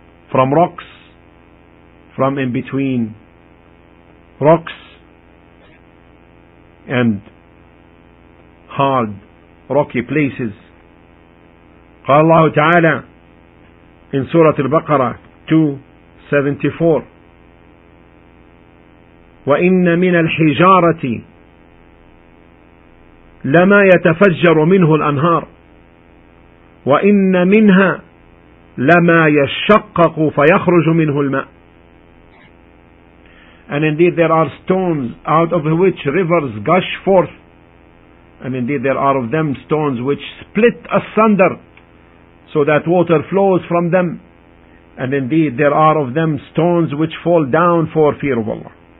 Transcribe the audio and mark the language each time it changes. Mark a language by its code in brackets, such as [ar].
[en] From rocks, from in between rocks and hard rocky places. [ar] قال الله تعالى [en] in Surah Al-Baqarah 274, [ar] وَإِنَّ مِنَ الْحِجَارَةِ لَمَا يَتَفَجَّرُ مِنْهُ الْأَنْهَارُ وَإِنَّ مِنْهَا لَمَا يَشَّقَّقُ فَيَخْرُجُ مِنْهُ الْمَاءُ. [en] And indeed there are stones out of which rivers gush forth, and indeed there are of them stones which split asunder so that water flows from them, and indeed there are of them stones which fall down for fear of Allah.